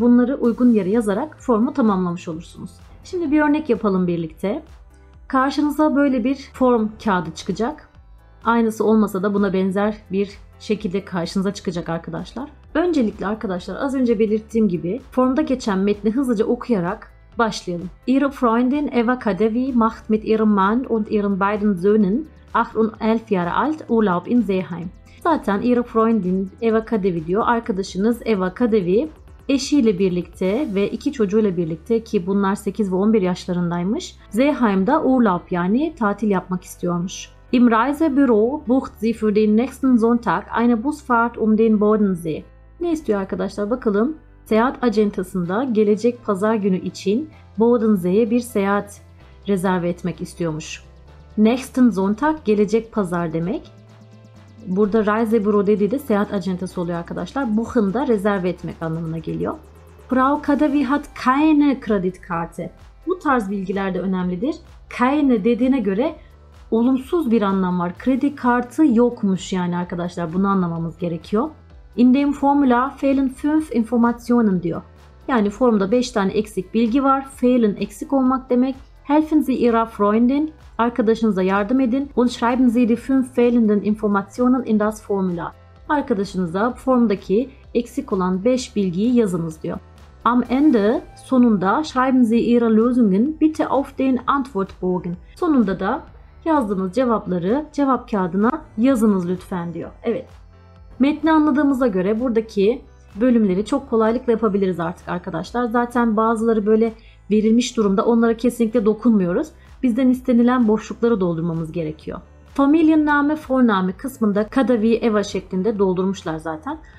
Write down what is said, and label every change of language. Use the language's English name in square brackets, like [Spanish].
[Turkish] Bunları uygun yere yazarak formu tamamlamış olursunuz. Şimdi bir örnek yapalım birlikte. Karşınıza böyle bir form kağıdı çıkacak. Aynısı olmasa da buna benzer bir şekilde karşınıza çıkacak arkadaşlar. Öncelikle arkadaşlar az önce belirttiğim gibi formda geçen metni hızlıca okuyarak başlayalım. [German] Ihre Freundin Eva Kadevi macht mit ihrem Mann und ihren beiden Söhnen 8 und 11 Jahre alt Urlaub in Seeheim. [Turkish] Zaten [German] Ihre Freundin [Turkish] Eva Kadevi diyor. Arkadaşınız Eva Kadevi eşiyle birlikte ve iki çocuğuyla birlikte ki bunlar 8 ve 11 yaşlarındaymış. Seeheim'da Urlaub yani tatil yapmak istiyormuş. [German] Im Reisebüro bucht sie für den nächsten Sonntag eine Busfahrt den Bodensee. [Turkish] Ne istiyor arkadaşlar bakalım. Seyahat acentasında gelecek pazar günü için Bodensee'ye bir seyahat rezerve etmek istiyormuş. [German] Nächsten Sonntag [Turkish] gelecek pazar demek. Burada Reisebüro dediği de seyahat acentası oluyor arkadaşlar. Buchen da rezerve etmek anlamına geliyor. [German] Frau Kadevi hat keine Kreditkarte. [Turkish] Bu tarz bilgiler de önemlidir. Keine dediğine göre olumsuz bir anlam var. Kredi kartı yokmuş yani arkadaşlar. Bunu anlamamız gerekiyor. [German] In dem Formular fehlen 5 Informationen [Turkish] diyor. Yani formda 5 tane eksik bilgi var. Fehlen eksik olmak demek. [German] Helfen Sie Ihrer Freundin. [Turkish] Arkadaşınıza yardım edin. [German] Und schreiben Sie die 5 fehlenden Informationen in das Formular. [Turkish] Arkadaşınıza formdaki eksik olan 5 bilgiyi yazınız diyor. [German] Am Ende [Turkish] sonunda [German] schreiben Sie Ihre Lösungen bitte auf den Antwortbogen. [Turkish] Sonunda da yazdığınız cevapları cevap kağıdına yazınız lütfen diyor. Evet. Metni anladığımıza göre buradaki bölümleri çok kolaylıkla yapabiliriz artık arkadaşlar. Zaten bazıları böyle verilmiş durumda onlara kesinlikle dokunmuyoruz. Bizden istenilen boşlukları doldurmamız gerekiyor. Familienname, Vorname kısmında Kadavi, Eva şeklinde doldurmuşlar zaten.